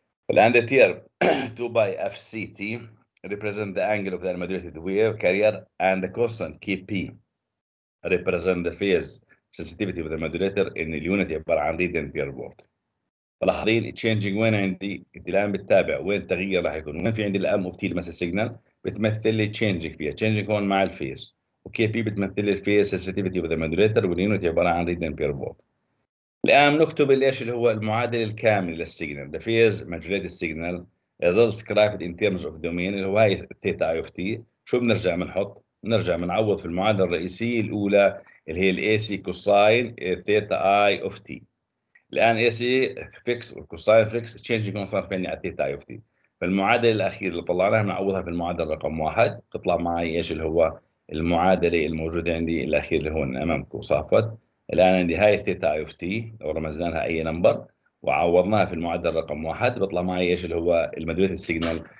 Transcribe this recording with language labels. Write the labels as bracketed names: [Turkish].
[English] الان the tier 2 by fct represent the angle of the modulated wave carrier and the constant kp represent the phase sensitivity of the modulator in the unit [Arabic] عبارة عن [English] radian per volt. [Arabic] فلاحظين changing وين عندي الان بتتابع وين التغيير راح يكون وين في عندي الام اوف تي المسج سيجنال بتمثل لي changing فيها changing هون مع الفيز وكي بي بتمثل لي الفيز [English] sensitivity of the modulator [Arabic] والunit عبارة عن [English] radian per volt. [Arabic] الان نكتب ليش اللي هو المعادلة الكاملة للسيجنال [English] the phase modulated signal as described in terms of domain اللي هو هاي theta i of t. [Arabic] شو بنرجع بنحط؟ بنرجع بنعوض في المعادلة الرئيسية الأولى اللي هي الـ AC cosine theta I of t. الآن AC fix والcosine fix [English] changing constant [Arabic] فيني على theta I of t. فالمعادلة الأخيرة اللي طلعناها بنعوضها في المعادلة رقم واحد تطلع معي إيش اللي هو المعادلة الموجودة عندي الأخير اللي هو أمامكم صافت. الآن عندي هاي theta I of t ورمزنا لها أي نمبر وعوضناها في المعادلة رقم واحد بطلع معي إيش اللي هو المدولة السيجنال